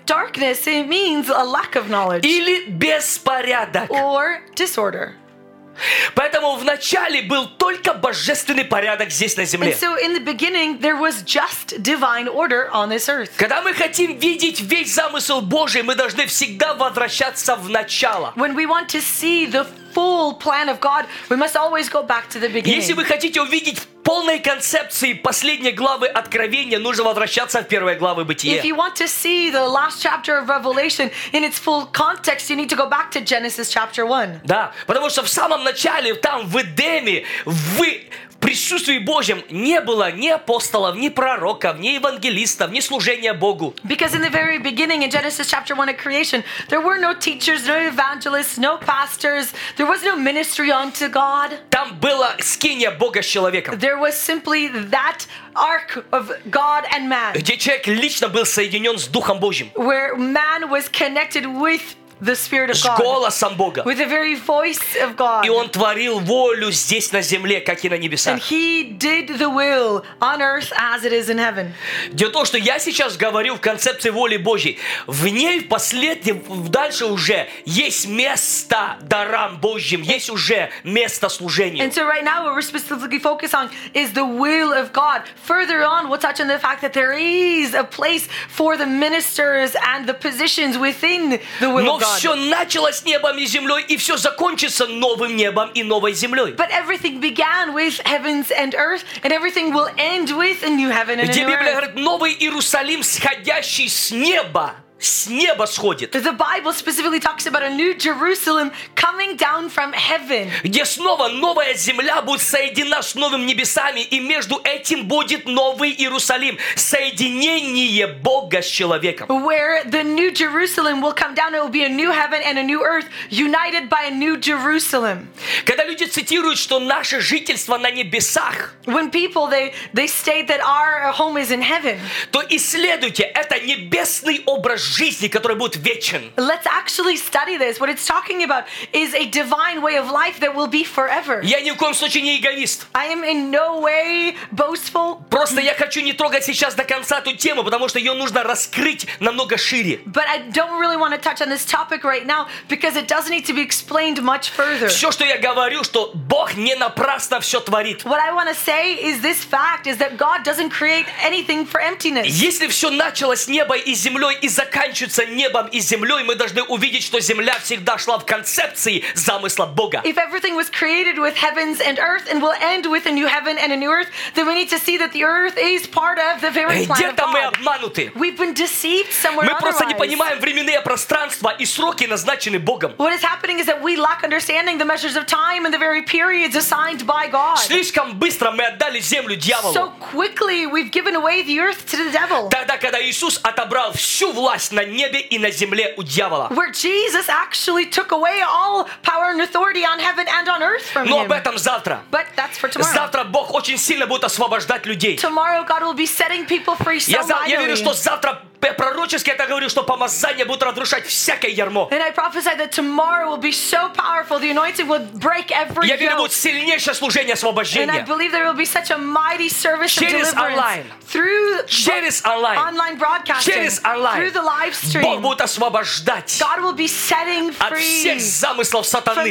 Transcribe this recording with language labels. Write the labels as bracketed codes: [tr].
[en] Darkness, it means a lack of knowledge. [ru] Или беспорядок. [en] Or disorder. [ru] Поэтому в начале был только божественный порядок здесь на земле. [en] And so in the beginning there was just divine order on this earth. [ru] Когда мы хотим видеть весь замысел Божий, мы должны всегда возвращаться в начало. [en] When we want to see the full plan of God, we must always go back to the beginning. [ru] Если вы хотите увидеть полной концепции последней главы Откровения, нужно возвращаться в первые главы Бытия. [en] If you want to see the last chapter of Revelation in its full context, you need to go back to Genesis chapter 1. [ru] Да, потому что в самом начале, там, в Эдеме, вы... В присутствии Божьем не было ни апостолов, ни пророков, ни евангелистов, ни служения Богу. [en] Because in the very beginning, in Genesis chapter 1 at creation, there were no teachers, no evangelists, no pastors. There was no ministry unto God. [ru] Там было скиния Бога с человеком. [en] There was simply that ark of God and man. [ru] Где человек лично был соединен с Духом Божьим. [en] Where man was connected with the Spirit of God. [ru] С голосом Бога. [en] With the very voice of God. [ru] И он творил волю здесь на земле, как и на небесах. [en] And he did the will on earth as it is in heaven. [ru] Дело в том, что я сейчас говорю в концепции воли Божьей. В ней впоследствии, дальше уже, есть место дарам Божьим, есть уже место служению. [en] And so right now what we're specifically focused on is the will of God. Further on, we'll touch on the fact that there is a place for the ministers and the positions within the will of God. [ru] Все началось с небом и землей, и все закончится новым небом и новой землей. [en] But everything began with heavens and earth, and everything will end with a new heaven and a new earth. [ru] Где Библия говорит, новый Иерусалим, сходящий с неба. С неба сходит. [en] The Bible specifically talks about a new Jerusalem coming down from heaven. [ru] Где снова новая земля будет соединена с новым небесами, и между этим будет новый Иерусалим, соединение Бога с человеком. [en] Where the new Jerusalem will come down, it will be a new heaven and a new earth, united by a new Jerusalem. [ru] Когда люди цитируют, что наше жительство на небесах, [en] when people they state that our home is in heaven, [ru] то исследуйте, это небесный образ жизни, который будет вечен. [en] Let's actually study this. What it's talking about is a divine way of life that will be forever. [ru] Я ни в коем случае не эгоист. [en] I am in no way boastful. [ru] Просто я хочу не трогать сейчас до конца эту тему, потому что ее нужно раскрыть намного шире. [en] But I don't really want to touch on this topic right now because it doesn't need to be explained much further. [ru] Все, что я говорю, что Бог не напрасно все творит. [en] What I want to say is this fact is that God doesn't create anything for emptiness. [ru] Если все началось с неба и землей и заканчивается небом и землей, мы должны увидеть, что земля всегда шла в концепции замысла Бога. [en] If everything was created with heavens and earth and will end with a new heaven and a new earth, then we need to see that the earth is part of the very plan of God. [ru] Где-то мы обмануты. [en] We've been deceived somewhere. [ru] Мы просто не понимаем временные пространства и сроки, назначены Богом. [en] What is happening is that we lack understanding the measures of time and the very periods assigned by God. [ru] Слишком быстро мы отдали землю дьяволу. [en] So quickly we've given away the earth to the devil. [ru] Тогда, когда Иисус отобрал всю власть на небе и на земле у дьявола. [en] Where Jesus actually took away all power and authority on heaven and on earth from him. [ru] Но об этом завтра. [en] But that's for tomorrow. [ru] Завтра Бог очень сильно будет освобождать людей. [en] Tomorrow God will be setting people free so mightily. [ru] Я верю, что завтра я пророчески это говорю, что помазание будет разрушать всякое ярмо. [en] And I prophesy that tomorrow will be so powerful, the anointing will break every yoke. [ru] Я верю, будет сильнейшее служение освобождения. [en] And I believe there will be such a mighty service [ru] через [en] of deliverance. Online. Through [ru] через online. [en] Online broadcasting. [ru] Через online. [en] Through the live stream. [ru] Бог будет освобождать. [en] God will be setting free. [ru] От всех замыслов сатаны.